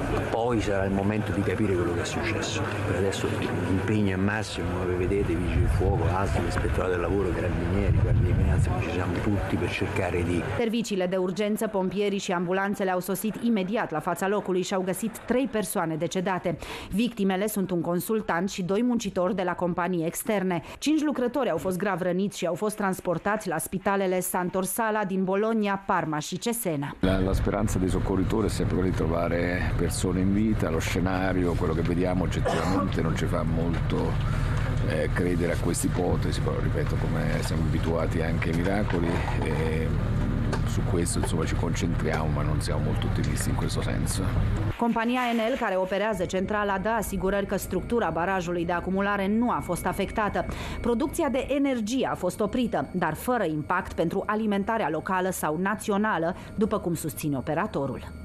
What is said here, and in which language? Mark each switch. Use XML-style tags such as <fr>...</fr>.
<it>Poi sarà il momento di capire quello che è successo. Per adesso l'impegno è massimo, come vedete, vigili del fuoco, ASL, ispettorato del lavoro, carabinieri, guardie di finanza, ci siamo tutti per cercare di...</it> <ro>Serviciile de urgență, pompierii și ambulanțele au sosit imediat la fața locului și au găsit trei persoane decedate. Victimele sunt un consultant și doi muncitori de la companii externe. Cinci lucrători au fost grav răniți și au fost transportați la spitalele Sant'Orsola din Bologna, Parma și Cesena.</ro> <it>La speranza dei soccorritori è sempre di trovare persone in vita, lo scenario, quello che vediamo oggettivamente non ci fa molto credere a questa ipotesi, però ripeto, come siamo abituati anche ai miracoli, e su questo insomma ci concentriamo, ma non siamo molto ottimisti in questo senso.</it> <ro>Compania Enel, care operează centrala, dă asigurări că structura barajului de acumulare nu a fost afectată. Producția de energie a fost oprită, dar fără impact pentru alimentarea locală sau națională, după cum susține operatorul.</ro>